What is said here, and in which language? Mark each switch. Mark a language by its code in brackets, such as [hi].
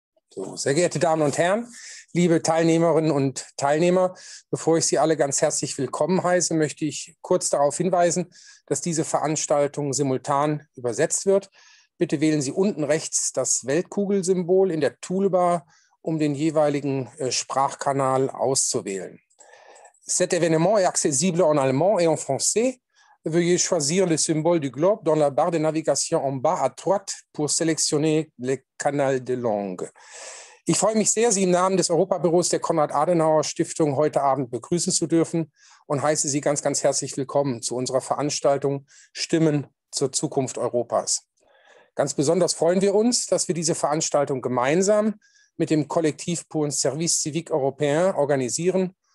[de] So, sehr geehrte Damen und Herren, liebe Teilnehmerinnen und Teilnehmer, bevor ich Sie alle ganz herzlich willkommen heiße, möchte ich kurz darauf hinweisen, dass diese Veranstaltung simultan übersetzt wird. Bitte wählen Sie unten rechts das Weltkugelsymbol in der Toolbar, um den jeweiligen Sprachkanal auszuwählen. [fr] Cet événement est accessible en allemand et en français. Veuillez choisir le symbole du globe dans la barre de navigation en bas à droite pour sélectionner le canal de langue. [de] Ich freue mich sehr, Sie im Namen des Europabüros der Konrad-Adenauer-Stiftung heute Abend begrüßen zu dürfen und heiße Sie ganz, ganz herzlich willkommen zu unserer Veranstaltung Stimmen zur Zukunft Europas. Ganz besonders freuen wir uns, dass wir diese Veranstaltung gemeinsam mit dem Kollektiv Pour un Service Civique Européen organisieren.